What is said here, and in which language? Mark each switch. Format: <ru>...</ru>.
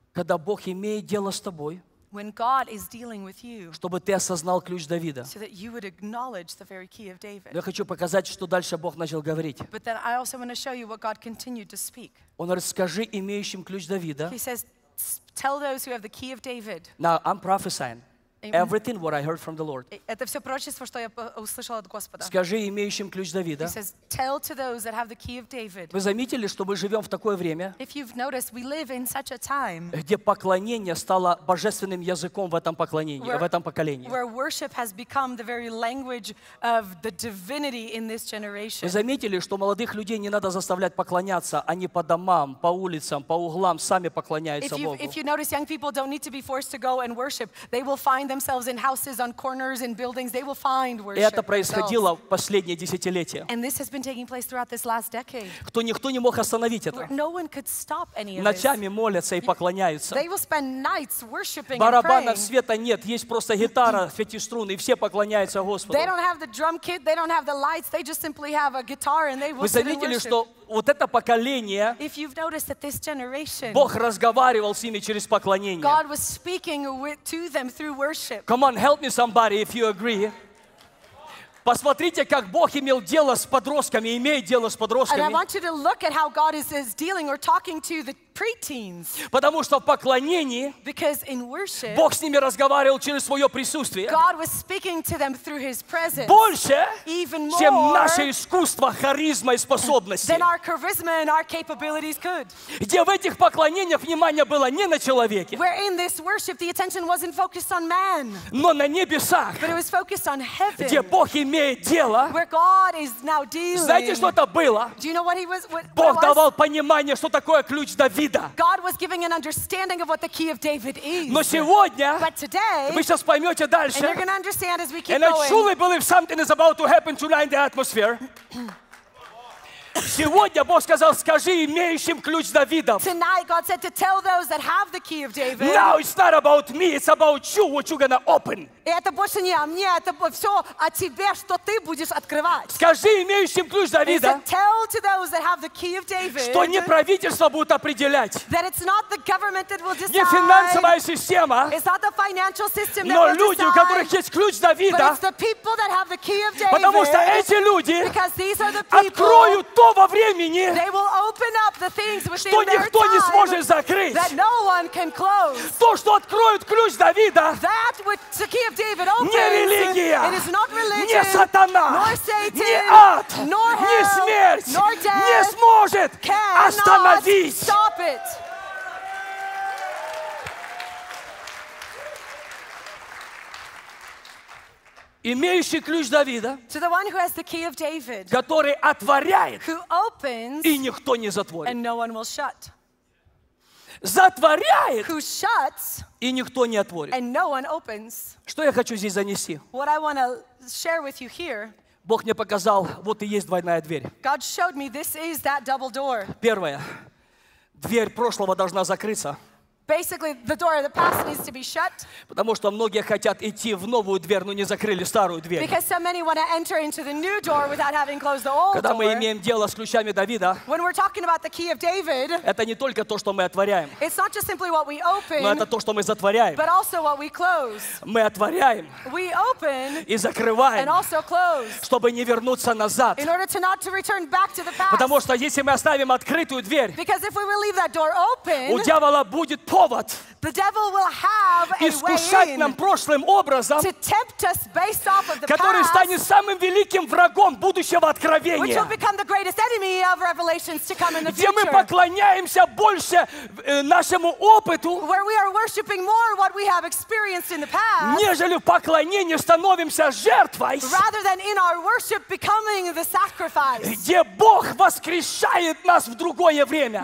<ru>когда Бог имеет дело с тобой,</ru> <en>when God is dealing with you,</en> <ru>чтобы ты осознал ключ Давида.</ru> <en>So that you would acknowledge the very key of David.</en> <ru>Я хочу показать, что дальше Бог начал говорить.</ru> <en>But then I also want to show you what God continued to speak.</en> <ru>Он говорит, скажи имеющим ключ Давида.</ru> <en>He says, tell those who have the key of David. Now I'm prophesying. Everything what I heard from the Lord.</en> <ru>Это все пророчество, что я услышал от Господа. Скажи имеющим ключ Давида.</ru> <en>He says, tell to those that have the key of David.</en> <ru>Вы заметили, что мы живем в такое время?</ru> <en>If you've noticed, we live in such a time.</en> <ru>Где поклонение стало божественным языком в этом поклонении, в этом поколении.</ru> <en>Where worship has become the very language of the divinity in this generation.</en> <ru>Вы заметили, что молодых людей не надо заставлять поклоняться, они по домам, по улицам, по углам сами поклоняются Богу.</ru> <en>If you notice, young people don't need to be forced to go and worship. They will find themselves in houses, on corners, in buildings. They will find worship.</en> <ru>Это происходило в последние десятилетия.</ru> <en>And this has been taking place throughout this last decade.</en> <ru>Кто никто не мог остановить это.</ru> <en>No one could stop any of this.</en> <ru>Ночами молятся и поклоняются.</ru> <en>They will spend nights worshiping and</en> <ru>Барабанов света нет, есть просто гитара, пяти струн, и все поклоняются Господу.</ru> <en>They don't have the drum kit. They don't have the lights. They just simply have a guitar and they will sit and worship.</en> <ru>Вы заметили, что вот это поколение,</ru> <en>if you've noticed that this generation,</en> <ru>Бог разговаривал с ними через поклонение.</ru> <en>God was speaking to them through worship. Come on, help me somebody if you agree.</en> <ru>Посмотрите, как Бог имел дело с подростками, имеет дело с подростками.</ru> <en>And I want you to look at how God is dealing or talking to the preteens.</en> <ru>Потому что в поклонении,</ru> <en>because in worship,</en> <ru>Бог с ними разговаривал через свое присутствие.</ru> <en>God was speaking to them through His presence.</en> <ru>Больше,</ru> <en>even more,</en> <ru>чем наше искусство, харизма и способности.</ru> <en>Than our charisma and our capabilities could.</en> <ru>Где в этих поклонениях внимание было не на человеке.</ru> <en>Where in this worship the attention wasn't focused on man.</en> <ru>Но на небесах.</ru> <en>But it was focused on heaven.</en> <ru>Где Бог имеет дело.</ru> <en>Where God is now dealing.</en> <ru>Знаете, что это было?</ru> <en>Do you know what he was, what,</en> <ru>Бог</ru> <en>what</en> <ru>давал</ru> <en>was?</en> <ru>Понимание, что такое ключ Давида.</ru> <en>God was giving an understanding of what the key of David is.</en> <ru>Но сегодня,</ru> <en>but today,</en> <ru>вы сейчас поймете дальше,</ru> <en>and you're going to understand as we keep and going. And I truly believe something is about to happen tonight in the atmosphere.</en> <ru>Сегодня Бог сказал, скажи имеющим ключ Давида.</ru> <en>Tonight God said to tell those that have the key of David. Now it's not about me, it's about you, what you're gonna open.</en> <ru>Это больше не о мне, это все о тебе, что ты будешь открывать. Скажи имеющим ключ Давида.</ru> <en>He said, tell to those that have the key of David.</en> <ru>Что не правительство будет определять.</ru> <en>That it's not the government that will decide.</en> <ru>Не финансовая система.</ru> <en>It's not the financial system that will decide.</en> <ru>Но люди, у которых есть ключ Давида.</ru> <en>But it's the people that have the key of David.</en> <ru>Потому что эти люди.</ru> <en>Because these are the people.</en> <ru>Откроют то во времени,</ru> <en>they will open up the things within</en> <ru>что никто</ru> <en>their time,</en> <ru>не сможет закрыть.</ru> <en>That no one can close.</en> <ru>То, что откроет ключ Давида,</ru> <en>that with the key of David opens,</en> <ru>не религия,</ru> <en>it is not religion,</en> <ru>не сатана,</ru> <en>nor Satan,</en> <ru>не ад,</ru> <en>nor hell,</en> <ru>не смерть,</ru> <en>nor death,</en> <ru>не сможет остановить.</ru> <en>Stop it.</en> <ru>Имеющий ключ Давида,</ru> <en>to the one who has the key of David,</en> <ru>который отворяет,</ru> <en>who opens,</en> <ru>и никто не затворит.</ru> <en>And no one will shut.</en> <ru>Затворяет,</ru> <en>who shuts,</en> <ru>и никто не отворит.</ru> <en>And no one opens.</en> <ru>Что я хочу здесь занести?</ru> <en>What I want to share with you here,</en> <ru>Бог мне показал, вот и есть двойная дверь.</ru> <en>God showed me, this is that double door.</en> <ru>Первое. Дверь прошлого должна закрыться.</ru> <en>Basically, the door of the past needs to be shut.</en> <ru>Потому что многие хотят идти в новую дверь, но не закрыли старую дверь.</ru> <en>Because so many want to enter into the new door without having closed the old</en> <ru>Когда Когда мы имеем дело с ключами Давида,</ru> <en>when we're talking about the key of David,</en> <ru>это не только то, что мы отворяем.</ru> <en>It's not just simply what we open,</en> <ru>но это то, что мы затворяем.</ru> <en>But also what we close.</en> <ru>Мы отворяем</ru> <en>we open</en> <ru>и закрываем,</ru> <en>and also close,</en> <ru>чтобы не вернуться назад.</ru> <en>In order to not to return back to the past.</en> <ru>Потому что если мы оставим открытую дверь,</ru> <en>because if we will leave that door open,</en> <ru>у дьявола будет повод</ru> <en>the devil will have a</en> <ru>искушать</ru> <en>way</en> <ru>нам прошлым образом,</ru> <en>to tempt us based off of the past,</en> <ru>который станет самым великим врагом будущего откровения,</ru> <en>which will become the greatest enemy of revelations to come in the future,</en> <ru>где мы поклоняемся больше нашему опыту,</ru> <en>where we are worshiping more what we have experienced in the past,</en> <ru>нежели в поклонении становимся жертвой,</ru> <en>rather than in our worship becoming the sacrifice,</en> <ru>где Бог воскрешает нас в другое время,</ru>